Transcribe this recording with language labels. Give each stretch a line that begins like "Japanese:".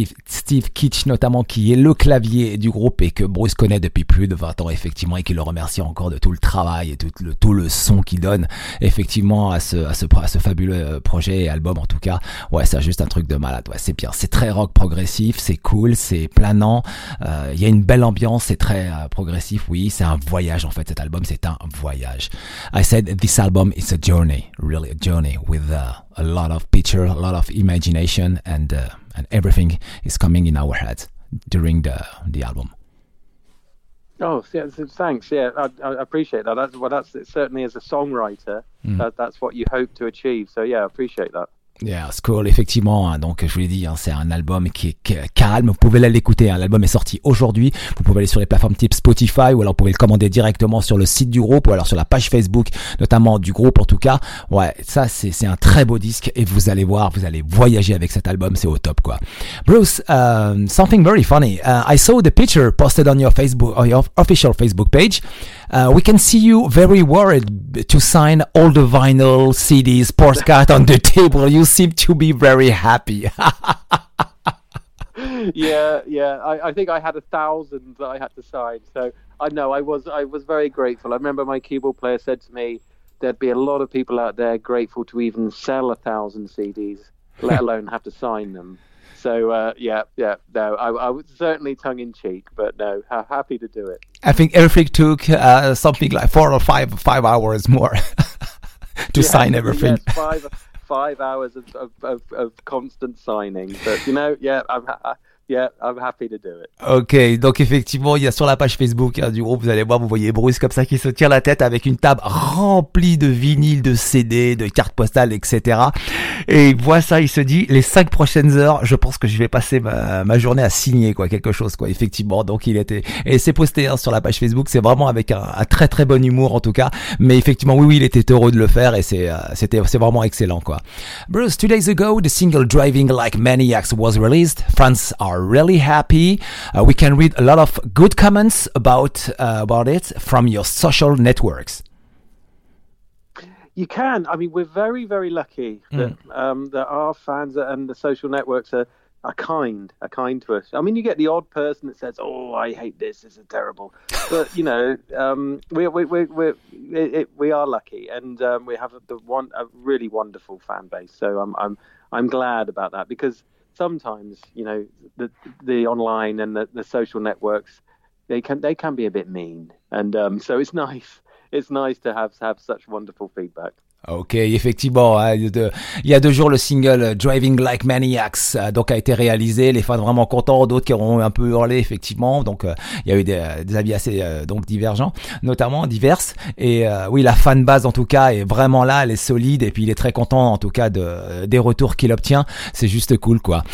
French: Steve Kitch, notamment, qui est le clavier du groupe et que Bruce connaît depuis plus de 20 ans, effectivement, et qui le remercie encore de tout le travail et tout le son qu'il donne, effectivement, à ce fabuleux projet et album, en tout cas. Ouais, c'est juste un truc de malade. Ouais, c'est bien. C'est très rock progressif, c'est cool, c'est planant. Il y a une belle ambiance, c'est très progressif, oui. C'est un voyage, en fait, cet album, c'est un voyage.
English: I said this album is a journey, really a journey with a lot of picture, a lot of imagination, and everything is coming in our heads during the album. Oh, yeah, thanks. Yeah, I appreciate that. It certainly is a songwriter. Mm. That's what you hope to achieve. So yeah, I appreciate that. Yeah, it's cool,
French: effectivement, hein. Donc je vous l'ai dit, hein, c'est un album qui est calme, vous pouvez l'écouter, hein. L'album est sorti aujourd'hui, vous pouvez aller sur les plateformes type Spotify, ou alors vous pouvez le commander directement sur le site du groupe, ou alors sur la page Facebook, notamment du groupe en tout cas. Ouais, ça c'est un très beau disque, et vous allez voir, vous allez voyager avec cet album, c'est au top, quoi.
English: Bruce, something very funny, I saw the picture posted on your Facebook, or your official Facebook page. We can see you very worried to sign all the vinyl, CDs, postcards on the table. You seem to be very happy. I think I had 1,000 that I had to sign. So I know I was very grateful. I remember my keyboard player said to me, there'd be a lot of people out there grateful to even sell 1,000 CDs, let alone have to sign them. So I was certainly tongue in cheek, but no, how happy to do it. I think everything took something like 4 or 5 hours more to sign everything. Yes, five hours of constant signing. But you know, yeah, I'm Yeah, I'm happy to do it.
French: Ok, donc effectivement, il y a sur la page Facebook hein, du groupe, vous allez voir, vous voyez Bruce comme ça qui se tire la tête avec une table remplie de vinyles, de CD, de cartes postales, etc. Et il voit ça, il se dit, les 5 prochaines heures, je pense que je vais passer ma journée à signer quoi, quelque chose, quoi. Effectivement. Donc il était, et c'est posté hein, sur la page Facebook, c'est vraiment avec un très très bon humour en tout cas. Mais effectivement, oui, il était heureux de le faire et c'est vraiment excellent quoi.
English: Bruce, 2 days ago, the single Driving Like Maniacs was released. Fans are really happy. We can read a lot of good comments about it from your social networks. You can. I mean, we're very, very lucky that that our fans and the social networks are kind to us. I mean, you get the odd person that says, "Oh, I hate this. This is terrible." But you know, we are lucky, and we have a really wonderful fan base. So I'm glad about that, because sometimes, you know, the online and the social networks, they can be a bit mean, and so it's nice. It's nice to have such wonderful feedback.
French: Ok, effectivement, il y a deux jours le single Driving Like Maniacs donc a été réalisé, les fans vraiment contents, d'autres qui ont un peu hurlé effectivement, donc il y a eu des avis assez donc divergents, notamment diverses, et oui, la fan base en tout cas est vraiment là, elle est solide, et puis il est très content en tout cas des retours qu'il obtient, c'est juste cool quoi.